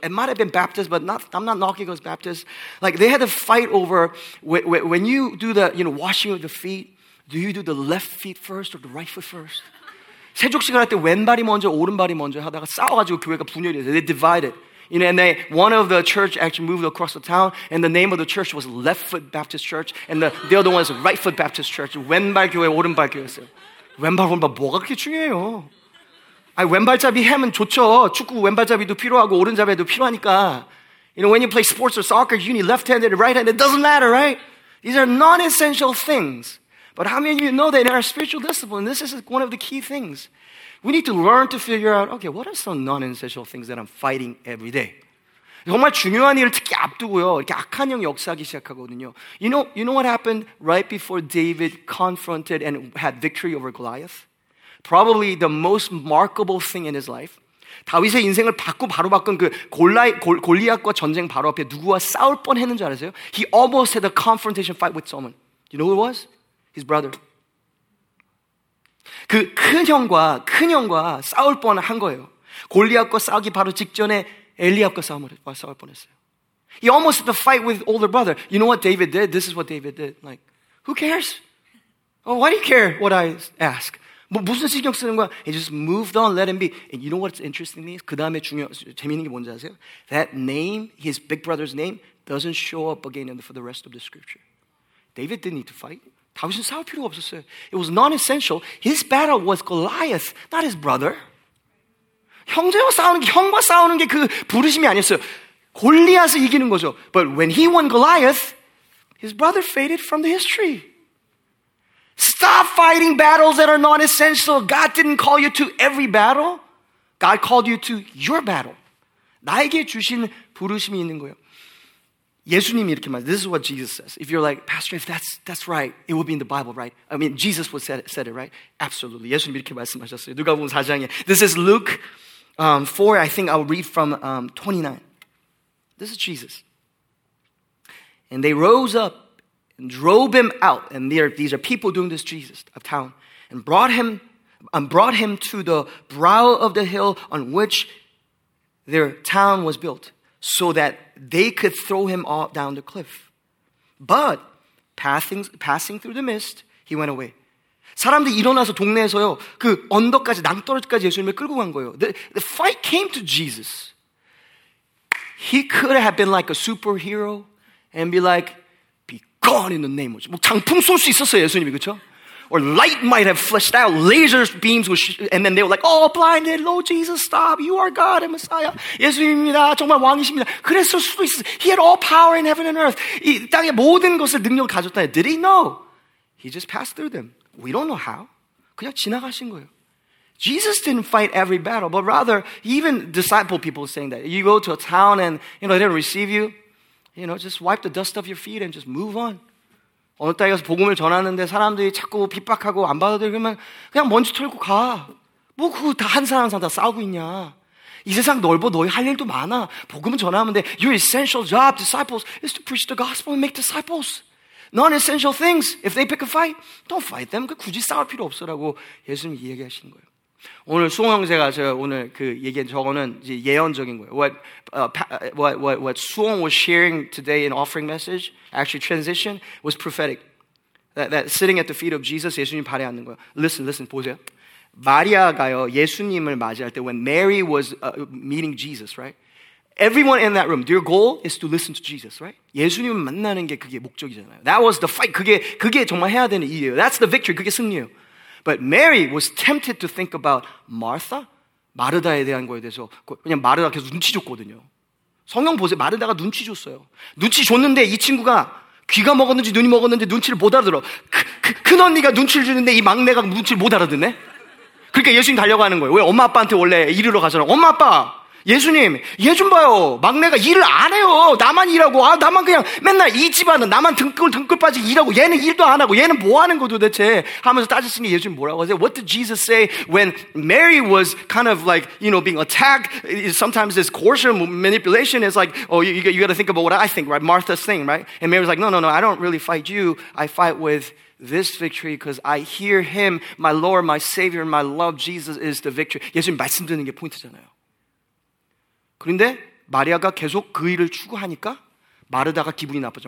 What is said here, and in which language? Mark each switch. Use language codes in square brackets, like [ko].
[en] It might have been Baptist, but I'm not knocking against Baptist. Like, they had to fight over, when you do the, you know, washing of the feet, do you do the left feet first or the right foot first? [ko] 세족식을 할 때 왼발이 먼저, 오른발이 먼저 하다가 싸워가지고 교회가 분열이 돼서 [en] they divided. You know, and they, one of the church actually moved across the town, and the name of the church was Left Foot Baptist Church, and the other one is Right Foot Baptist Church. [ko] 왼발 교회, 오른발 교회였어요. 왼발, 오른발, 뭐가 그렇게 중요해요? 아니, 왼발잡이 하면 좋죠. 축구 왼발잡이도 필요하고, 오른잡이도 필요하니까. [en] You know, when you play sports or soccer, you need left-handed or right-handed. It doesn't matter, right? These are non-essential things. But how many of you know that in our spiritual discipline, this is one of the key things. We need to learn to figure out, okay, what are some non-essential things that I'm fighting every day? [ko] 정말 중요한 일을 특히 앞두고요. 이렇게 악한 영이 역사하기 시작하거든요. [en] You know what happened right before David confronted and had victory over Goliath? Probably the most remarkable thing in his life. [ko] 다윗의 인생을 바꾸 바로 바꾼 그 골리앗과 전쟁 바로 앞에 누구와 싸울 뻔했는 줄 아세요? [en] He almost had a confrontation fight with someone. You know who it was? His brother. [ko] 그 큰 형과 싸울 뻔한 거예요. 골리앗과 싸우기 바로 직전에 엘리압과 싸울 뻔했어요. [en] He almost had a fight with older brother. You know what David did? This is what David did. Like, who cares? Oh, why do you care what I ask? [ko] 뭐 무슨 신경 쓰는 거야? [en] He just moved on, let him be. And you know what's interesting to me? [ko] 그 다음에 재미있는 게 뭔지 아세요? [en] That name, his big brother's name, doesn't show up again for the rest of the scripture. David didn't need to fight. [ko] 다윗은 싸울 필요가 없었어요. [en] It was non-essential. His battle was Goliath, not his brother. [ko] 형제와 싸우는 게, 형과 싸우는 게 그 부르심이 아니었어요. 골리앗을 이기는 거죠. [en] But when he won Goliath, his brother faded from the history. Stop fighting battles that are non-essential. God didn't call you to every battle. God called you to your battle. [ko] 나에게 주신 부르심이 있는 거예요. 예수님이 이렇게 말해요. [en] This is what Jesus says. If you're like, Pastor, if that's right, it will be in the Bible, right? I mean, Jesus would said it, right? Absolutely. [ko] 예수님이 이렇게 말씀하셨어요. 누가복음 4장에. [en] This is Luke 4. I think I'll read from 29. This is Jesus. And they rose up and drove him out. And these are people doing this Jesus of town. And brought him to the brow of the hill on which their town was built, so that they could throw him off down the cliff. But passing through the mist, he went away. [ko] 사람들이 일어나서 동네에서요, 그 언덕까지, 낭떠러지까지 예수님을 끌고 간 거예요. [en] The fight came to Jesus. He could have been like a superhero and be like, be gone in the name of Jesus. [ko] 뭐 장풍 쏠 수 있었어요, 예수님이, 그쵸? [en] Or light might have flashed out, laser beams, and then they were like, oh, blinded, Lord Jesus, stop, you are God and Messiah. [ko] 예수님입니다, 정말 왕이십니다. 그랬을 수도 있어요. [en] He had all power in heaven and earth. [ko] 이 땅의 모든 것을 능력을 가졌다니. [en] Did he? No. He just passed through them. We don't know how. [ko] 그냥 지나가신 거예요. [en] Jesus didn't fight every battle, but rather, even disciple people saying that. You go to a town and, you know, they didn't receive you. You know, just wipe the dust off your feet and just move on. [ko] 어느 땅에 가서 복음을 전하는데 사람들이 자꾸 핍박하고 안 받아들이면 그냥 먼지 털고 가. 뭐 그 다 한 사람 한 사람 다 싸우고 있냐. 이 세상 넓어. 너희 할 일도 많아. 복음을 전하면 돼. [en] Your essential job, disciples, is to preach the gospel and make disciples. Non-essential things. If they pick a fight, don't fight them. [ko] 굳이 싸울 필요 없어라고 예수님이 이야기하신 거예요. 오늘 수홍 형제가 제가 오늘 그 얘기한 저거는 이제 예언적인 거예요. [en] What Suong was sharing today in offering message, actually transition, was prophetic. That sitting at the feet of Jesus, [ko] 예수님 발에 앉는 거예요. [en] Listen, [ko] 보세요. 마리아가요, 예수님을 맞이할 때 [en] when Mary was meeting Jesus, right? Everyone in that room, their goal is to listen to Jesus, right? [ko] 예수님을 만나는 게 그게 목적이잖아요. [en] That was the fight. [ko] 그게 정말 해야 되는 이유예요. [en] That's the victory. [ko] 그게 승리예요. [en] But Mary was tempted to think about Martha. [ko] 마르다에 대한 거에 대해서 그냥 마르다 계속 눈치 줬거든요. 성경 보세요. 마르다가 눈치 줬어요. 눈치 줬는데 이 친구가 귀가 먹었는지 눈이 먹었는지 눈치를 못 알아들어. 큰 언니가 눈치를 주는데 이 막내가 눈치를 못 알아듣네. 그러니까 예수님 달려가는 거예요. 왜 엄마 아빠한테 원래 이르러 가잖아. 엄마 아빠 예수님 얘 좀 봐요. 막내가 일을 안 해요. 나만 일하고 아 나만 그냥 맨날 이 집안은 나만 등끌 빠지게 일하고 얘는 일도 안 하고 얘는 뭐 하는 거 도대체 하면서 따지시니 예수님 뭐라고 하세요? [en] What did Jesus say when Mary was kind of like, you know, being attacked? Sometimes this coercion, manipulation is like, oh, you got to think about what I think, right? Martha's thing, right? And Mary's like, no, I don't really fight you. I fight with this victory because I hear him, my Lord, my Savior, my love, Jesus is the victory. [ko] 예수님 말씀 드리는 게 포인트잖아요. 그런데 마리아가 계속 그 일을 추구하니까 마르다가 기분이 나빠져.